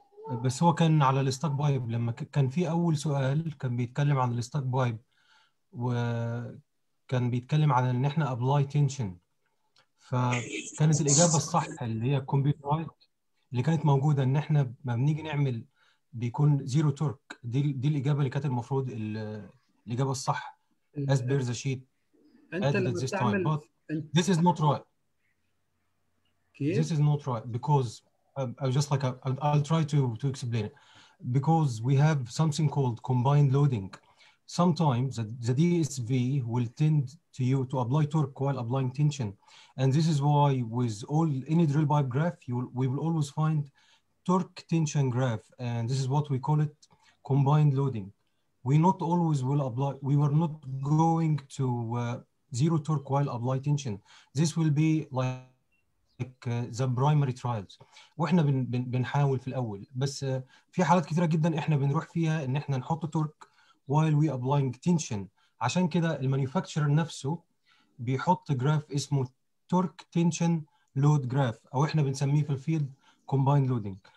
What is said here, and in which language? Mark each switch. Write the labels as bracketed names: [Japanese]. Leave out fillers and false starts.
[Arabic] بس هو كان على الستاك بايب، لما كان في أول سؤال كان بيتكلم عن الستاك بايب، وكان بيتكلم عن إن إحنا أبلاي تنشن، فكانت الإجابة الصح اللي هي كومبيوتر رايت اللي كانت موجودة، إن إحنا ما بنيجي نعمل بيكون زيرو تورك، دي الإجابة اللي كانت المفروض الإجابة الصح [English] as per the sheet. [Arabic] أنت لما [English] this [Arabic] بتعمل [English] time. But this is not right. [Arabic] كيف؟ [English] This is not right because just like I'll try to explain it. Because we have something called combined loading. Sometimes the DSV will tend to you to apply torque while applying tension. And this is why with all any drill pipe graph, we will always find torque tension graph. And this is what we call it combined loading. We not always will apply, we were not going to zero torque while apply tension. This will be like the primary trials. [Arabic] واحنا بنحاول في الاول بس في حالات كثيره جدا احنا بنروح فيها ان احنا نحط تورك [English] while we applying tension. [Arabic] عشان كده المانيفاكتشر نفسه بيحط جراف اسمه تورك تنشن لود جراف او احنا بنسميه في الفيلد كومبايند لودنج.